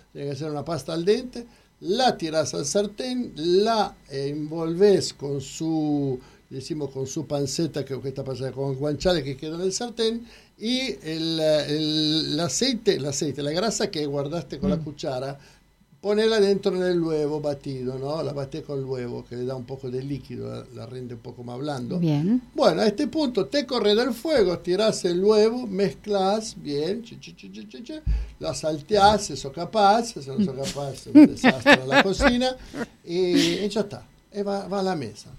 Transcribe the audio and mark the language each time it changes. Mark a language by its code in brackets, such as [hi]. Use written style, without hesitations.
[es] Tiene que ser una pasta al dente. La tirás al sartén, la envolvés con su, decimos, con su panceta, que está pasando con el guanciale que quedó en el sartén, y el aceite, la grasa que guardaste con la cuchara, ponerla dentro nel huevo batido, no? [it] La batté con l'uovo che le dà un poco di liquido, la rende un poco [es] más blando. Bien. Bueno, a este punto te corres del fuego, tiras el huevo, mezclas bien, la salteas, si sos capaz, si no sos capaz, un desastre a la cocina, y ya está. Y va a la mesa.